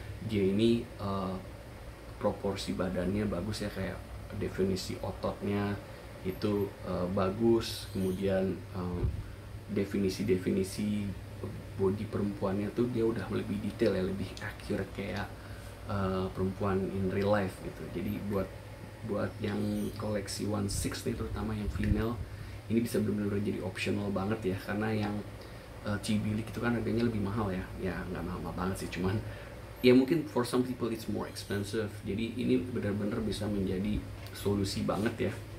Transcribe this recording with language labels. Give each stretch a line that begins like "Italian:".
Indonesian: Dia ini proporsi badannya bagus ya, kayak definisi ototnya itu bagus, kemudian definisi-definisi body perempuannya tuh dia udah lebih detail ya, lebih akhir kayak perempuan
English: in real life
Indonesian: gitu. Jadi buat yang koleksi 16 nih, terutama yang female, ini bisa benar-benar jadi optional banget ya, karena yang Tbilik itu kan harganya lebih mahal ya, ya nggak mahal-mahal banget sih, cuman ya mungkin
English: for some people it's more expensive.
Indonesian: Jadi ini benar-benar bisa menjadi solusi banget ya.